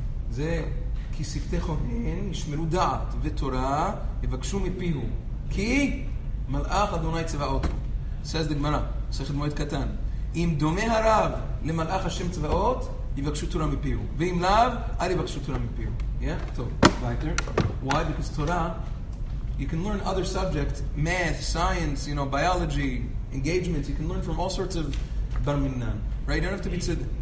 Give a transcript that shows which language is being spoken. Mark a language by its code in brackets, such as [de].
[he] זה כי שפתי כהן ישמרו דעת ותורה יבקשו מפיהו כי מלאך אדוני צבאות. [en] Says the Gemara, מסכת מועד קטן. [he] אם דומה הרב למלאך השם צבאות, יבקשו תורה מפיהו. ואם לאו, אל יבקשו תורה מפיהו. [en] Yeah? טוב. Why? Because Torah, you can learn other subjects, math, science, you know, biology, engagements, you can learn from all sorts of bar minnan. Right? You don't have to be tzid.